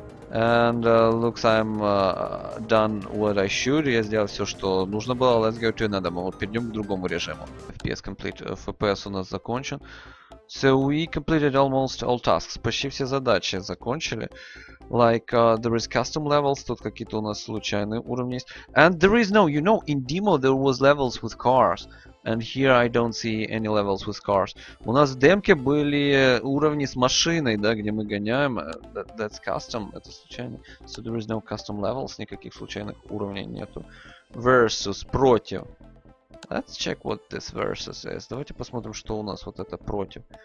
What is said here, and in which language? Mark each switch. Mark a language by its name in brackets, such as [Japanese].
[English] And looks I'm done what I should. [Russian] Я сделал все, что нужно было. [English] Let's go to another mode. [Russian] Перейдем к другому режиму. [English] FPS complete. [Russian] FPS у нас закончен. [English] So we completed almost all tasks. [Russian] Почти все задачи закончили. [English] Like there is custom levels. [Russian] Тут какие-то у нас случайные уровни есть. [English] And there is no, you know, in demo there was levels with cars. And here I don't see any levels with cars. [Russian] У нас в демке были уровни с машиной, да, где мы гоняем. [English] That's custom, [Russian] это случайно. [English] So there is no custom levels, [Russian] никаких случайных уровней нету. [English] Versus, [Russian] против. [English] Let's check what this versus is. [Russian] Давайте посмотрим, что у нас вот это против.